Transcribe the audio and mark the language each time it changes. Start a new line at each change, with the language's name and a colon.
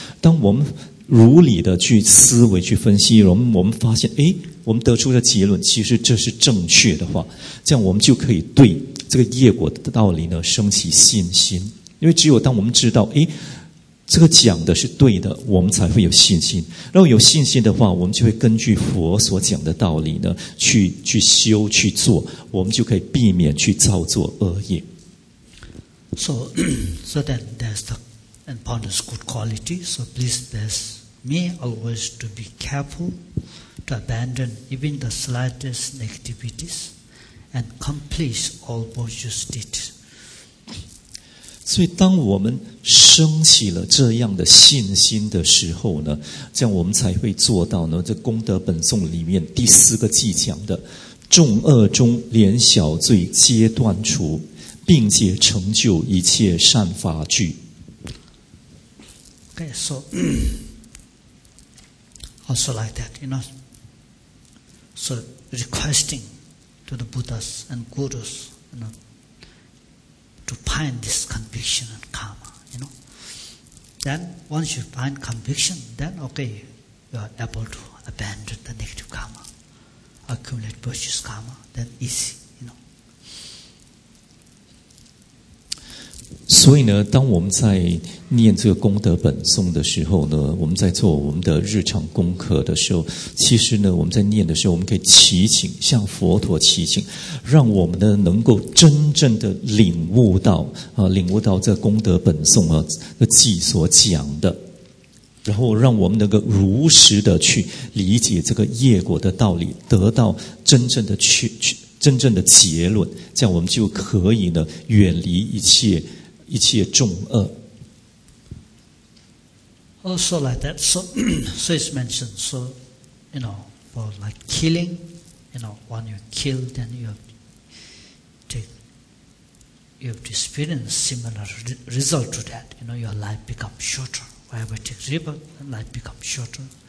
Chinese: 当我们如理的去思维去分析，我们发现诶，我们得出的结论其实这是正确的话，这样我们就可以对这个业果的道理呢升起信心。因为只有当我们知道诶，这个讲的是对的，我们才会有信心。然后有信心的话，我们就会根据佛所讲的道理呢去修去做，我们就可以避免去造作恶业。
English: So then there's the importance of good quality. So please bless me always to be careful to abandon even the slightest negativities and complete all virtuous deeds.
Chinese: 所以当我们升起了这样的信心的时候呢，这样我们才会做到呢这功德本颂里面第四个偈讲的众恶中连小罪皆断除，并且成就一切善法具。
English: Okay, so also like that, you know, so requesting to the Buddhas and Gurus, you know,to find this conviction and karma, you know. Then, once you find conviction, then, okay, you are able to abandon the negative karma, accumulate virtuous karma, then easy, you know.
Chinese: 所以呢，当我们在念这个功德本颂的时候呢，我们在做我们的日常功课的时候，其实呢，我们在念的时候，我们可以祈请，向佛陀祈请，让我们呢能够真正的领悟到啊，领悟到这功德本颂啊的偈所讲的，然后让我们能够如实的去理解这个业果的道理，得到真正的真正的结论，这样我们就可以呢远离一切重恶。
English: Also like that, so it's mentioned, so, you know, for like killing, you know, when you kill, then you have to experience similar result to that, you know, your life becomes shorter, whenever you take rebirth, life becomes shorter.